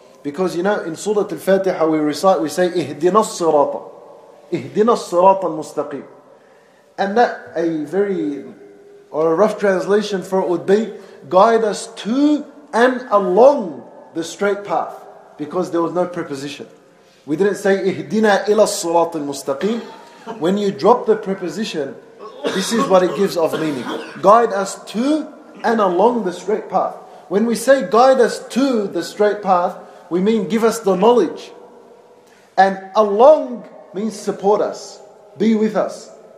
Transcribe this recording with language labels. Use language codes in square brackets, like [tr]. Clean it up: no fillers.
[en] Because you know, in Surah Al-Fatiha we recite, we say, [ar] اِهْدِنَا الصِّرَاطَ. اِهْدِنَا الصِّرَاطَ الْمُسْتَقِيمِ. [en] And that, a very, or a rough translation for it would be, guide us to and along the straight path. Because there was no preposition. We didn't say, [ar] اِهْدِنَا إِلَىٰ الصِّرَاطِ الْمُسْتَقِيمِ. [en] When you drop the preposition, this is what it gives of meaning. Guide us to and along the straight path. When we say guide us to the straight path, we mean give us the knowledge. And along means support us. Be with us.